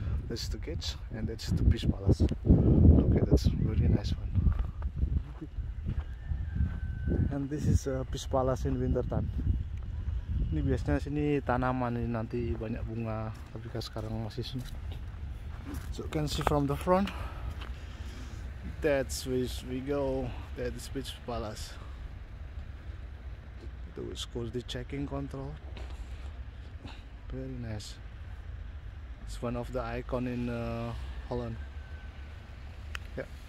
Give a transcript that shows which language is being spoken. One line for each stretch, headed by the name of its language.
English: This is the gates and that's the Peace Palace. Okay, that's really nice one. And this is Peace Palace in winter time.
Indonesian: Ini biasanya sini tanaman ini nanti banyak bunga, tapi kan sekarang masih sini.
English: So you can see from the front, that's where we go. That is Peace Palace. The security checking control. Very nice. It's one of the icon in Holland. Yeah.